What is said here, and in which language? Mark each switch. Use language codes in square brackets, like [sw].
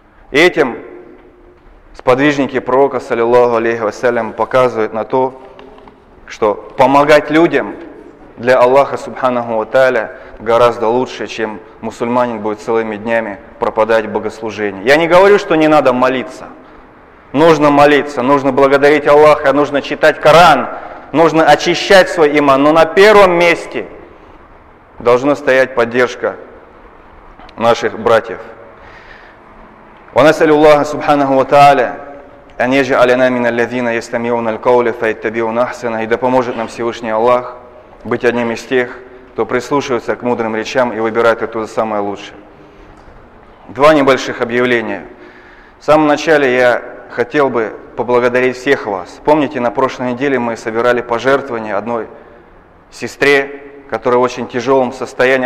[ru] И этим сподвижники пророка, саллиллаху алейхи вассалям, показывают на то, что помогать людям для Аллаха, субханаху ва тааля, гораздо лучше, чем мусульманин будет целыми днями пропадать в богослужении. Я не говорю, что не надо молиться. Нужно молиться, нужно благодарить Аллаха, нужно читать Коран, нужно очищать свой иман. Но на первом месте должна стоять поддержка наших братьев. [ar] ونسأل الله سبحانه وتعالى أن يجعل لنا من الذين يستمعون القول فيتبعون أحسنه. [ru] И да поможет нам Всевышний Аллах быть одним из тех, кто прислушивается к мудрым речам и выбирает оттуда самое лучшее. 2 небольших объявления. В самом начале я хотел бы поблагодарить всех вас. Помните, на прошлой неделе мы собирали пожертвования одной сестре, которая в очень тяжелом состоянии.